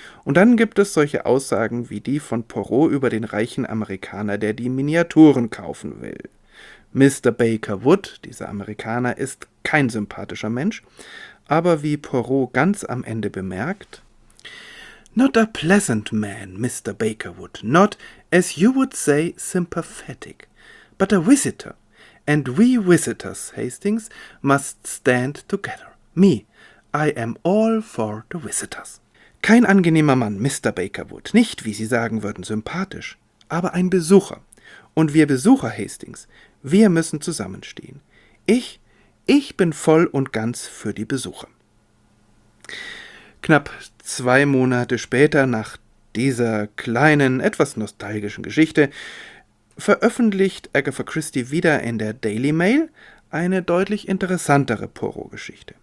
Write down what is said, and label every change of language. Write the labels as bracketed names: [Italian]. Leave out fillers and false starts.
[German] Und dann gibt es solche Aussagen wie die von Poirot über den reichen Amerikaner, der die Miniaturen kaufen will. Mr. Baker Wood, dieser Amerikaner, ist kein sympathischer Mensch, aber wie Poirot ganz am Ende bemerkt: [English] Not a pleasant man, Mr. Baker Wood, not, as you would say, sympathetic, but a visitor, and we visitors, Hastings, must stand together. Me, I am all for the visitors. [German] Kein angenehmer Mann, Mr. Baker Wood, nicht, wie Sie sagen würden, sympathisch, aber ein Besucher. Und wir Besucher, Hastings, wir müssen zusammenstehen. Ich bin voll und ganz für die Besucher. Knapp zwei Monate später, nach dieser kleinen, etwas nostalgischen Geschichte, veröffentlicht Agatha Christie wieder in der Daily Mail eine deutlich interessantere Poirot-Geschichte.